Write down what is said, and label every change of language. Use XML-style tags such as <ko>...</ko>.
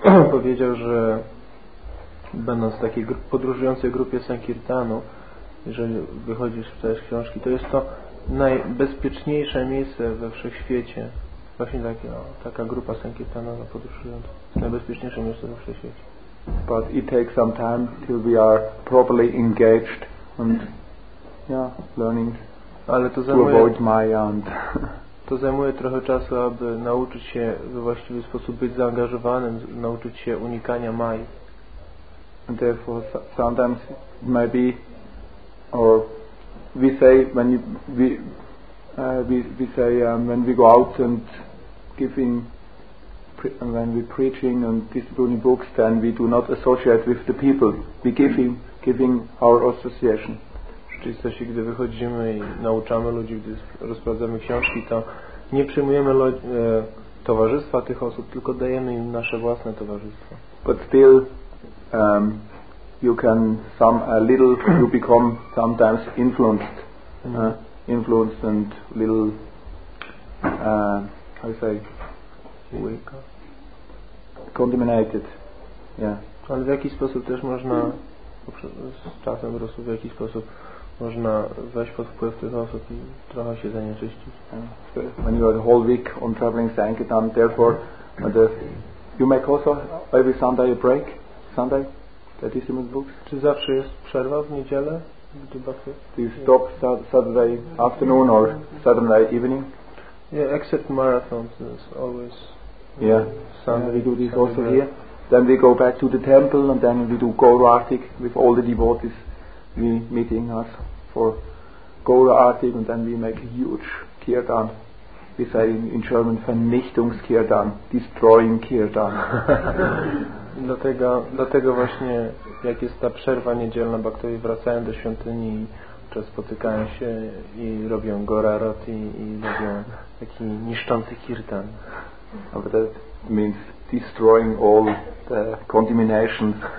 <pl>Powiedział, że będąc w takiej podróżującej grupie sankirtanu, jeżeli wychodzisz w te książki, to jest to najbezpieczniejsze miejsce we wszechświecie. Właśnie taka grupa sankirtanowa podróżująca. Najbezpieczniejsze miejsce we wszechświecie.</pl> <en>But it takes some time till we are properly engaged and learning.</en> <pl>Ale to zajmuje,</pl> <en>to avoid Maya and</en> <pl>to zajmuje trochę czasu, aby nauczyć się we właściwy sposób być zaangażowanym, nauczyć się unikania Mai.</pl> <en>And therefore sometimes it may be, or we say when we say when we go out and giving when we're preaching and distributing books, then we do not associate with the people. We giving our association.</en> <pl>Rzeczywiście, gdy wychodzimy i nauczamy ludzi, gdy rozprowadzamy książki, to nie przyjmujemy towarzystwa tych osób, tylko dajemy im nasze własne towarzystwo.</pl> <en>But still, you can some a little you become sometimes influenced, influenced and little how you say, contaminated, yeah.</en> <pl>Ale w jakiś sposób też można z czasem rosło w jakiś sposób można wejść pod wpływ tych osób i trochę się zanieczyścić.</pl> <en>When you are the whole week on traveling Sankirtan, therefore, the, you make also every Sunday a break. Sunday, the distribute books.</en> <pl>Czy zawsze jest przerwa w niedzielę?</pl> <en>Do you stop Saturday afternoon or Saturday evening? Yeah, except marathons, it's always. Yeah. Sunday. We do this Sunday also here. Then we go back to the temple and then we do Gaura Artik with all the devotees. We meeting us for Gaura Artik and then we make a huge kirtan. We say in German Vernichtungskirtan, destroying kirtan.</en> <pl>Dlatego właśnie jak jest ta przerwa niedzielna, Bhaktowie wracają do świątyni i spotykają się i robią Gaura Artik i robią taki niszczący kirtan.</pl> <en>But that means destroying all the contamination.</en>